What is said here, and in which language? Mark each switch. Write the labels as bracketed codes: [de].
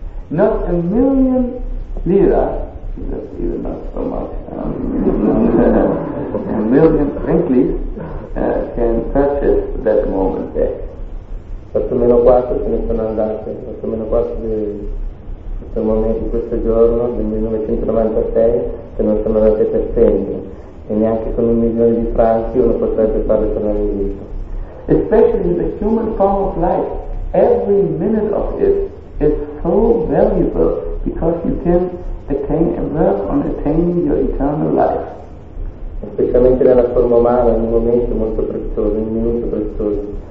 [en] Not a million lira, even not so much, a million rinklis can purchase that moment there. [it] 8 meno 4 se ne sono andate, 8 meno 4 di questo momento, di questo giorno, del 1996, che non sono andate per sempre, e neanche con un milione di franchi uno potrebbe farle tornare in vita. [en] Especially in the human form of life, every minute of it is so valuable because you can attain and work on attaining your eternal life. [it] Specialmente nella forma umana, ogni momento è molto prezioso, ogni minuto è prezioso.